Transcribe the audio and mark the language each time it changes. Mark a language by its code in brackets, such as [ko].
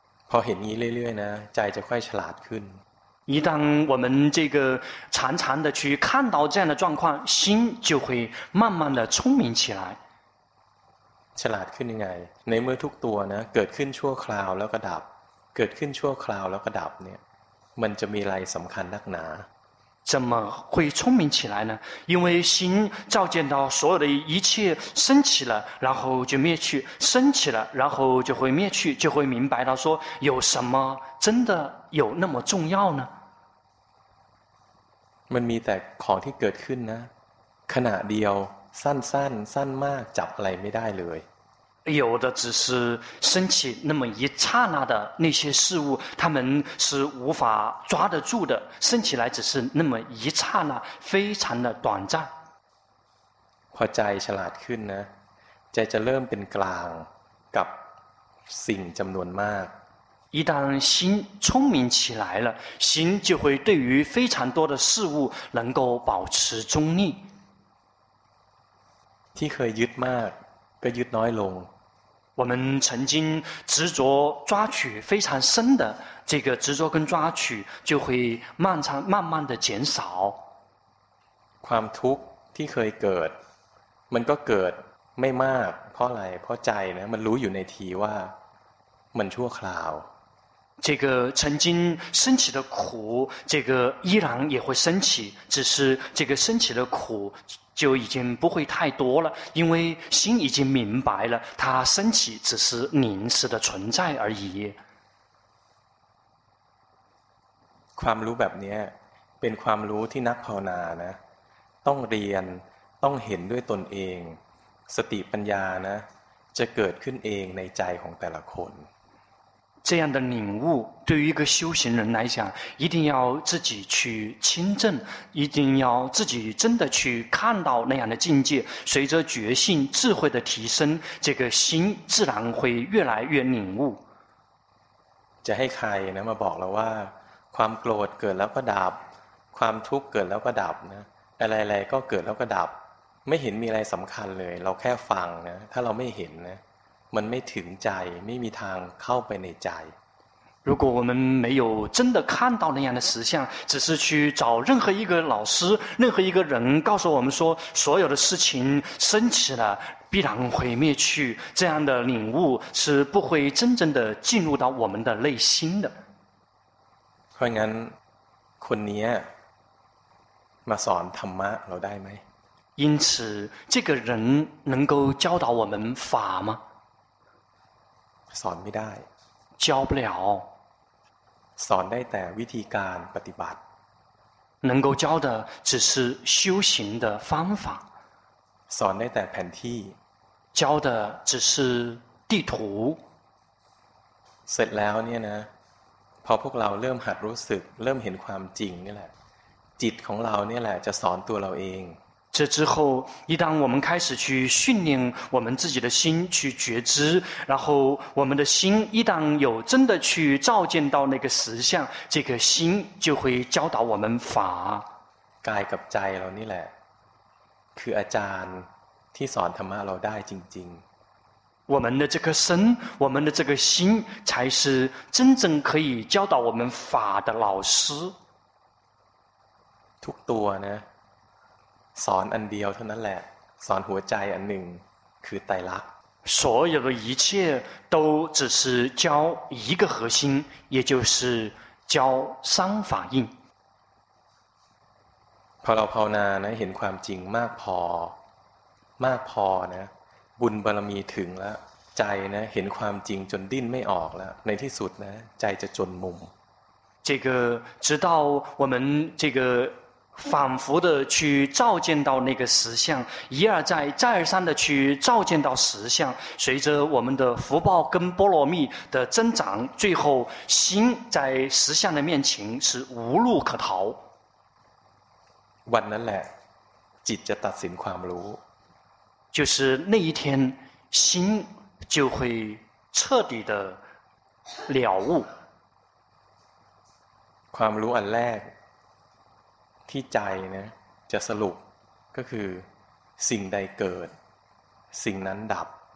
[th] พอเห็นนี้เรื่อยๆนะใจจะค่อยฉลาดขึ้น [zh] 一旦我们这个常常的去看到这样的状况心就会慢慢的聪明起来 [th] ฉลาดขึ้นยังไงในเมื่อทุกตัวนะเกิดขึ้นชั่วคราวแล้วก็ดับเกิดขึ้นชั่วคราวแล้วก็ดับเนี่ยมันจะมีอะไรสำคัญนักหนา [zh] 怎么会聪明起来呢因为心照见到所有的一切升起了然后就灭去升起了然后就会灭去就会明白到说有什么真的有那么重要呢 [th] มันมีแต่ของที่เกิดขึ้นนะขณะเดียวสั้นๆ สั้นมากจับอะไรไม่ได้เลย [zh] 有的只是升起那么一刹那的那些事物他们是无法抓得住的升起来只是那么一刹那非常的短暂 [th] พอใจฉลาดขึ้นนะใจจะเริ่มเป็นกลางกับสิ่งจำนวนมาก [zh] 一旦心聪明起来了心就会对于非常多的事物能够保持中立 [th] ที่เคยยึดมาก [zh] 个越耐落。我们曾经执着抓取非常深的这个执着跟抓取，就会慢慢的减少。 [th] ความทุกข์ที่เคยเกิดมันก็เกิดไม่มากเพราะอะไรเพราะใจนะมันรู้อยู่ในทีว่ามันชั่วคราว [zh] 这个曾经升起的苦，这个依然也会升起，只是这个升起的苦就已经不会太多了，因为心已经明白了，它升起只是临时的存在而已。 [th] ความรู้แบบนี้เป็นความรู้ที่นักภาวนานะต้องเรียนต้องเห็นด้วยตนเองสติปัญญานะจะเกิดขึ้นเองในใจของแต่ละคน [zh] 这样的领悟对于一个修行人来讲一定要自己去亲证一定要自己真的去看到那样的境界随着觉性智慧的提升这个心自然会越来越领悟 [th] จะให้ใครนะมาบอกเราว่าความโกรธเกิดแล้วก็ดับความทุกข์เกิดแล้วก็ดับนะอะไรๆก็เกิดแล้วก็ดับไม่เห็นมีอะไรสำคัญเลยเราแค่ฟังนะถ้าเราไม่เห็นนะมันไม่ถึงใจไม่มีทางเข้าไปในใจ [zh] 如果我们没有真的看到那样的实相只是去找任何一个老师任何一个人告诉我们说所有的事情升起了必然会灭去这样的领悟是不会真正的进入到我们的内心的 [th] เพราะงั้นคนนี้มาสอนธรรมะเราได้ไหม [zh] 因此这个人能够教导我们法吗 [th] สอนไม่ได้ [zh] 教不了 [th] สอนได้แต่วิธีการปฏิบัติ [zh] 能够教的只是修行的方法 [th] สอนได้แต่แผนที่ [zh] 教的只是地图 [th] เสร็จแล้วเนี่ยนะพอพวกเราเริ่มหัดรู้สึกเริ่มเห็นความจริงนี่แหละจิตของเราเนี่ยแหละจะสอนตัวเราเอง [zh] 这之后一旦我们开始去训练我们自己的心去觉知然后我们的心一旦有真的去照见到那个实相这个心就会教导我们法 [th] กายกับใจเรานี่แหละคืออาจารย์ที่สอนธรรมะเราได้จริง [zh] ๆ我们的这颗身我们的这个心才是真正可以教导我们法的老师 [th] ทุกตัวนะสอนอันเดียวเท่านั้นแหละสอนหัวใจอันหนึ่งคือไตรลักษณ์ [zh] 所有的一切都只是教一个核心也就是教三法印 [th] พอเราภาวนานะเห็นความจริงมากพอมากพอนะบุญบารมีถึงแล้วใจนะเห็นความจริงจนดิ้นไม่ออกแล้วในที่สุดนะใจจะจนมุม [zh] 这个直到我们这个仿佛的去照见到那个实相一而再再而三的去照见到实相随着我们的福报跟波罗蜜的增长最后心在实相的面前是无路可逃 [th] วันนั้นแหละจิตจะตัดสินความรู้ [zh] 就是那一天心就会彻底的了悟 [th] ความรู้อันแรกที่ใจนะจะสรุปก็คือสิ่งใดเกิดสิ่งนั้นดับ